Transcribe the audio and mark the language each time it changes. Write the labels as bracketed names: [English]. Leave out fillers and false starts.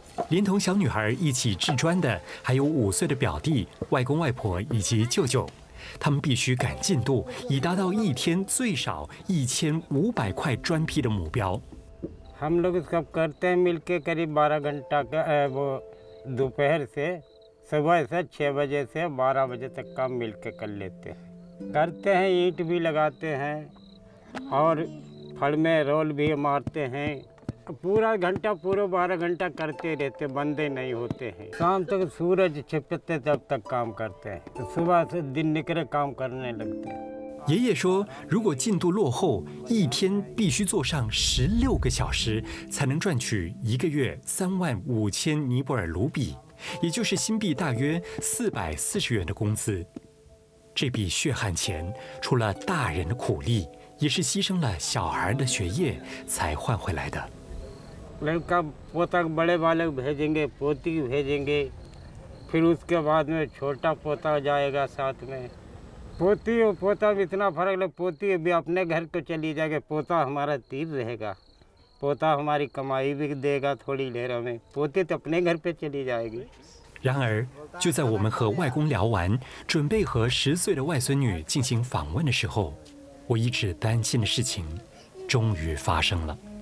[Chinese] 连同小女孩一起制砖的还有5岁的表弟、外公外婆以及舅舅，他们必须赶进度，以达到一天最少1500块砖坯的目标。 [Hindi] हम लोग सब करते हैं मिलके करीब 12 घंटा का वो दोपहर से सुबह से 6 बजे से 12 बजे तक काम मिलके कर लेते हैं। करते हैं ईंट भी लगाते हैं और फड़ में रोल भी मारते हैं। पूरा घंटा पूरा 12 घंटा करते रहते, बंदे नहीं होते हैं। शाम तक सूरज छिपते तब तक काम करते हैं, सुबह से दिन निकले काम करने लगते हैं। [Chinese] 爷爷说，如果进度落后，一天必须做上16个小时，才能赚取1个月35000尼泊尔卢比，也就是新币大约440元的工资。这笔血汗钱，除了大人的苦力，也是牺牲了小孩的学业才换回来的。 [Hindi] लड़का पोता को बड़े बालक भेजेंगे, पोती को भेजेंगे, फिर उसके बाद में छोटा पोता जाएगा साथ में। पोती और पोता भी इतना फर्क लग, पोती भी अपने घर को चली जाएगा, पोता हमारा तीर रहेगा, पोता हमारी कमाई भी देगा थोड़ी लेर में, पोती तो अपने घर पे चली जाएगी। [Chinese] 然而，就在我们和外公聊完，准备和10岁的外孙女进行访问的时候，我一直担心的事情终于发生了。